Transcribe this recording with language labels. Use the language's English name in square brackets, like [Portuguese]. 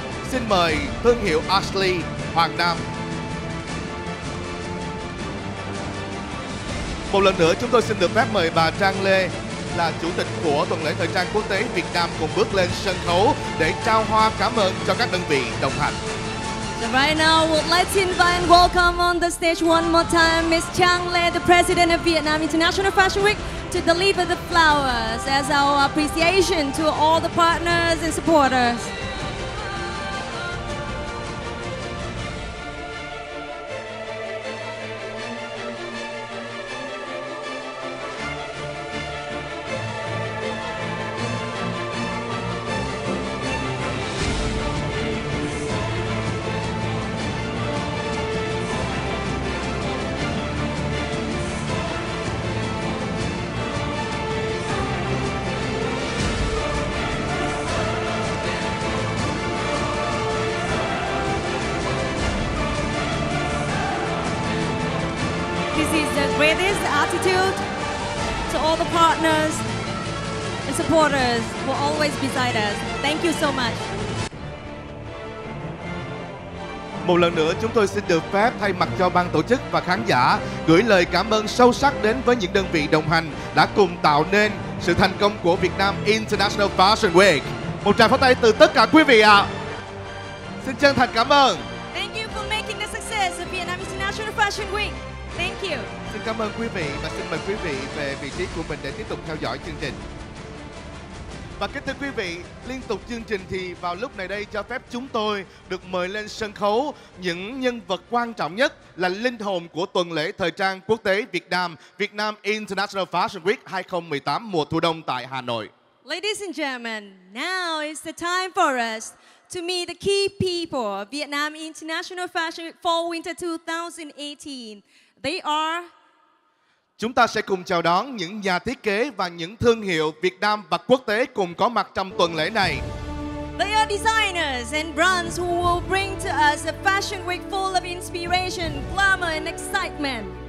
[Vietnamese] Xin mời thương hiệu Ashley Hoàng Nam. Một lần nữa chúng tôi xin được phép mời bà Trang Lê, là chủ tịch của tuần lễ thời trang quốc tế Việt Nam, cùng bước lên sân khấu để trao hoa cảm ơn cho các đơn vị đồng hành. [English] So right now, we'd like to invite and welcome on the stage one more time Ms. Trang Le, the President of Vietnam International Fashion Week, to deliver the flowers as our appreciation to all the partners and supporters. This is the greatest attitude to all the partners and supporters who are always beside us. Thank you so much. [Vietnamese] Một lần nữa, chúng tôi xin được phép thay mặt cho ban tổ chức và khán giả gửi lời cảm ơn sâu sắc đến với những đơn vị đồng hành đã cùng tạo nên sự thành công của Việt Nam International Fashion Week. Một tràng pháo tay từ tất cả quý vị ạ. Xin chân thành cảm ơn. [English] Thank you for making the success of Vietnam International Fashion Week. Thank you. [Vietnamese] Xin cảm ơn quý vị và xin mời quý vị về vị trí của mình để tiếp tục theo dõi chương trình. Và kính thưa quý vị, liên tục chương trình thì vào lúc này đây cho phép chúng tôi được mời lên sân khấu những nhân vật quan trọng nhất là linh hồn của tuần lễ thời trang quốc tế Việt Nam, Việt Nam International Fashion Week 2018 mùa thu đông tại Hà Nội. [English] Ladies and gentlemen, now is the time for us to meet the key people of Vietnam International Fashion Week Fall Winter 2018. They are... [Vietnamese] Chúng ta sẽ cùng chào đón những nhà thiết kế và những thương hiệu Việt Nam và quốc tế cùng có mặt trong tuần lễ này. [English] They are designers and brands who will bring to us a fashion week full of inspiration, glamour and excitement.